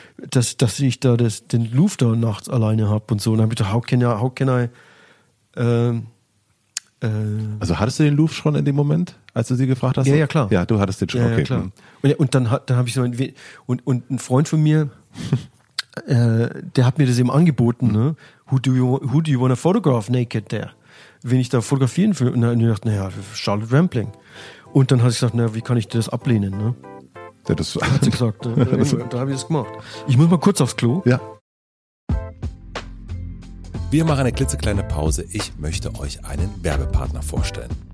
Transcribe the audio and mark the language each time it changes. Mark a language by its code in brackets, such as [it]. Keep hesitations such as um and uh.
[de] Dass, dass ich da das, den Louvre da nachts alleine habe und so. Und dann habe ich gedacht, [en] how can I, how can I, [de] ähm, äh, Also hattest du den Louvre schon in dem Moment, als du sie gefragt hast? Ja, ja, klar. Ja, du hattest den schon. Ja, okay. ja, klar. Und, und dann, hat- dann habe ich so ein, we- und, und ein Freund von mir, äh, der hat mir das eben angeboten, ne? [en] Who do you, who do you wanna photograph naked there? [de] Wen ich da fotografieren will? Und dann habe ich gedacht, naja, Charlotte Rampling. Und dann habe ich gesagt, naja, wie kann ich das ablehnen, ne? Ja, das, Hat sie gesagt, ne? Und da habe ich das gemacht. Ich muss mal kurz aufs Klo. ja. Wir machen eine klitzekleine Pause. Ich möchte euch einen Werbepartner vorstellen.